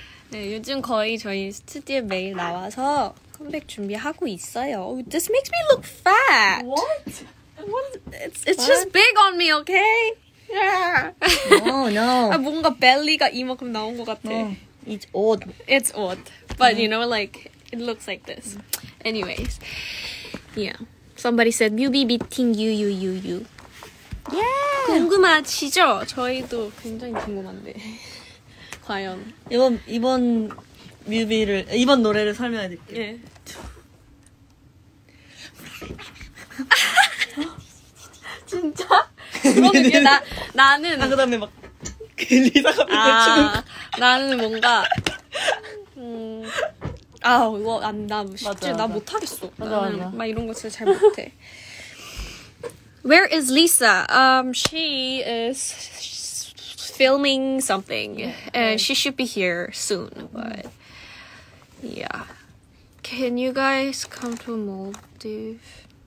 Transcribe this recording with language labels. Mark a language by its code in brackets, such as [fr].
[ko] 네, 요즘 거의 저희 스튜디오 매일 나와서 컴백 준비하고 있어요. [en] This makes me look fat. What? It's just big on me, okay? Yeah. No, no. [ko] 아, 뭔가 벨리가 이만큼 나온 것 같아. [en] It's odd. It's odd. But you know, like, it looks like this. Anyways. Yeah. Somebody said, Mubi beating you, you, you, you. Yeah. [ko] 궁금하시죠? 저희도 굉장히 궁금한데. 과연. 이번 뮤비를, 이번 노래를 설명해 드릴게요. 예. 진짜? 그러면 나는. 아, 그 다음에 막. 리사가 밑에 아, 나는 뭔가. 아 이거 안 나 쉽지 나 못하겠어 나는 맞아. 막 이런 거 진짜 잘 못해. [en] Where is Lisa? She is filming something and she should be here soon. But yeah, can you guys come to Maldives?